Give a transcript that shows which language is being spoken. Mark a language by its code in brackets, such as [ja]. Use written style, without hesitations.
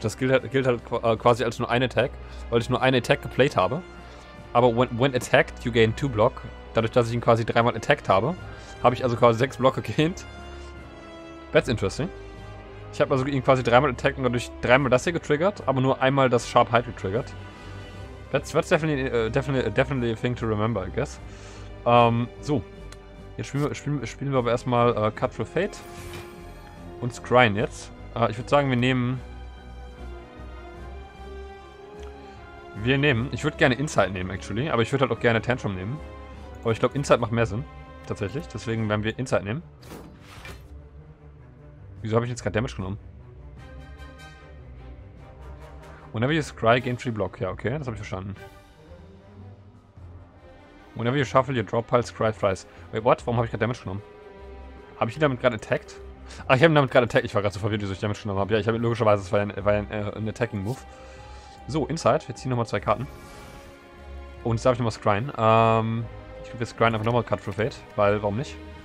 [de] Das gilt halt quasi als nur ein Attack, weil ich nur einen Attack geplayt habe. Aber [en] when attacked, you gain 2 Block. [de] Dadurch, dass ich ihn quasi dreimal attacked habe, habe ich also quasi 6 Blocke gained. [en] That's interesting. [de] Ich habe also ihn quasi dreimal attacked und dadurch dreimal das hier getriggert, aber nur einmal das Sharp Hide getriggert. [en] That's definitely a thing to remember, I guess. [de] So. Jetzt spielen wir aber erstmal Cut Through Fate. Und Scryen jetzt. Ich würde sagen, wir nehmen. Ich würde gerne Insight nehmen, actually. Aber ich würde halt auch gerne Tantrum nehmen. Aber ich glaube, Insight macht mehr Sinn. Tatsächlich. Deswegen werden wir Insight nehmen. Wieso habe ich jetzt gerade Damage genommen? [en] Whenever you scry, gain 3 Block. [de] Ja, okay, das habe ich verstanden. [en] Whenever you shuffle, your drop pile, scry thrice. Wait, what? [de] Warum habe ich gerade Damage genommen? Habe ich ihn damit gerade attacked? Ach, ich habe ihn damit gerade attacked. Ich war gerade so verwirrt, wieso ich Damage genommen habe. Ja, ich habe logischerweise, das war ein Attacking Move. So, Inside. Wir ziehen nochmal 2 Karten. Und jetzt darf ich nochmal scryen. Ich glaube, wir scryen einfach nochmal Cut for Fate. Weil, warum nicht?